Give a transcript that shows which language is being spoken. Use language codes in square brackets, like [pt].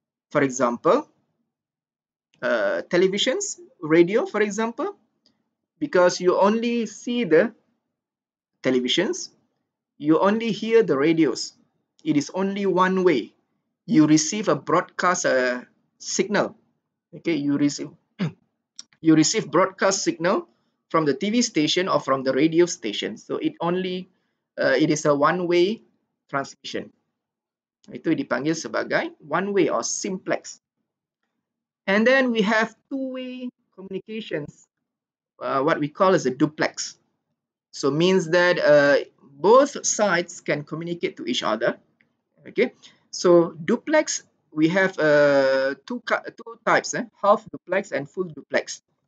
[en] For example, televisions, radio, for example, because you only see the televisions, you only hear the radios. It is only one way. You receive a broadcast signal. Okay, you receive broadcast signal from the TV station or from the radio station. So it only it is a one way transmission. [ms] Itu dipanggil sebagai [en] one way or simplex. And then we have two way communications, what we call as a duplex. So means that both sides can communicate to each other. Okay. So duplex, we have two types, half duplex and full duplex.